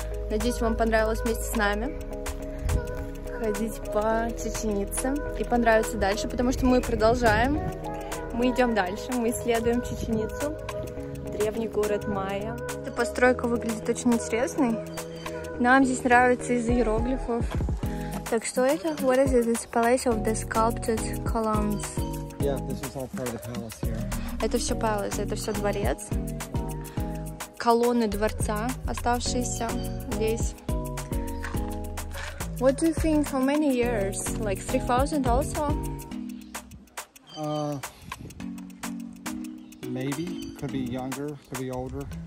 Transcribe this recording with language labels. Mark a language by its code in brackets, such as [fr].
[ru] Надеюсь, вам понравилось вместе с нами ходить по Чеченице. И понравится дальше, потому что мы продолжаем. Мы идем дальше. Мы исследуем Чеченицу. Древний город майя. Эта постройка выглядит очень интересной. Нам здесь нравится из-за иероглифов. Так что это? [en] What is it? It's a palace of the sculpted columns. Yeah, this is all part of the palace here. [ru] Это все palace, это все дворец. Колонны дворца, оставшиеся здесь. [en] What do you think? How many years? Like 3,000 also? Maybe. Could be younger, could be older.